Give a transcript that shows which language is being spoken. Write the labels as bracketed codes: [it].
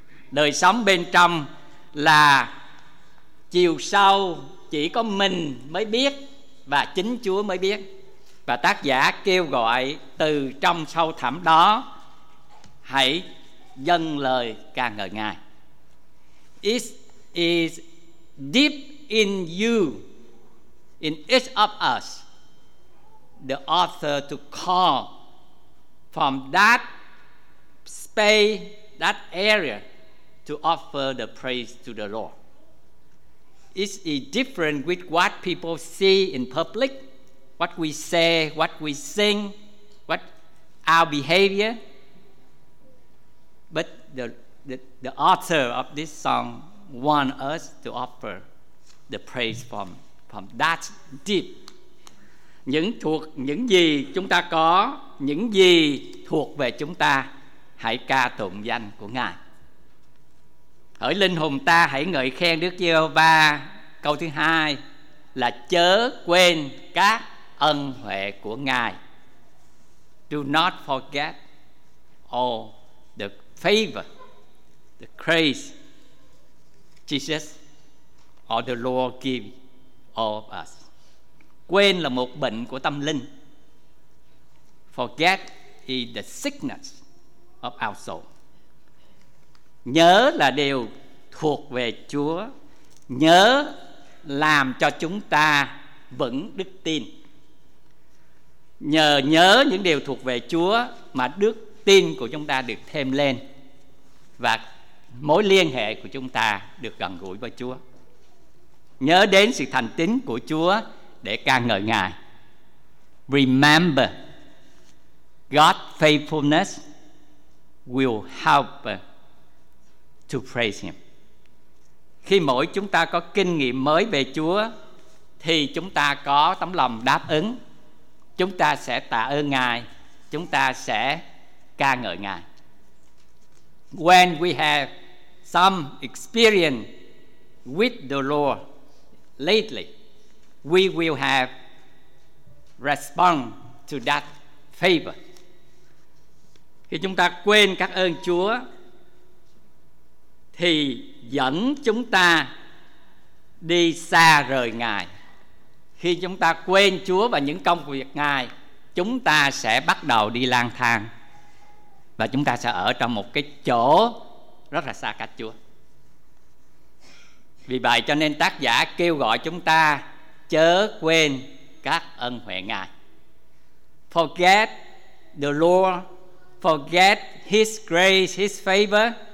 [vi] Đời sống bên trong là chiều sâu chỉ có mình mới biết và chính Chúa mới biết. Và tác giả kêu gọi từ trong sâu thẳm đó hãy dâng lời ca ngợi Ngài. [en] It is deep in you, in each of us, the author to call from that space, that area, to offer the praise to the Lord. It is different with what people see in public, what we say, what we sing, what our behavior. But the author of this song wants us to offer the praise from that deep. [vi] Những gì chúng ta có, những gì thuộc về chúng ta, hãy ca tụng danh của Ngài. Hỡi linh hồn ta hãy ngợi khen Đức Giê-hô-va. Câu thứ hai là chớ quên các ân huệ của Ngài. [en] Do not forget all the favor, the grace Jesus or the Lord give all of us. [vi] Quên là một bệnh của tâm linh. [en] Forget is the sickness of our soul. [vi] Nhớ là điều thuộc về Chúa. Nhớ làm cho chúng ta vững đức tin. Nhờ nhớ những điều thuộc về Chúa mà đức tin của chúng ta được thêm lên, và mối liên hệ của chúng ta được gần gũi với Chúa. Nhớ đến sự thành tín của Chúa để ca ngợi Ngài. [en] Remember God's faithfulness will help to praise Him. [vi] Khi mỗi chúng ta có kinh nghiệm mới về Chúa thì chúng ta có tấm lòng đáp ứng, chúng ta sẽ tạ ơn Ngài, chúng ta sẽ ca ngợi Ngài. [en] When we have some experience with the Lord lately, we will have respond to that favor. [vi] Khi chúng ta quên các ơn Chúa thì dẫn chúng ta đi xa rời Ngài. Khi chúng ta quên Chúa và những công việc Ngài, chúng ta sẽ bắt đầu đi lang thang, và chúng ta sẽ ở trong một cái chỗ rất là xa cách Chúa. Vì vậy cho nên tác giả kêu gọi chúng ta chớ quên các ân huệ Ngài. [en] Forget the Lord, forget His grace, His favor.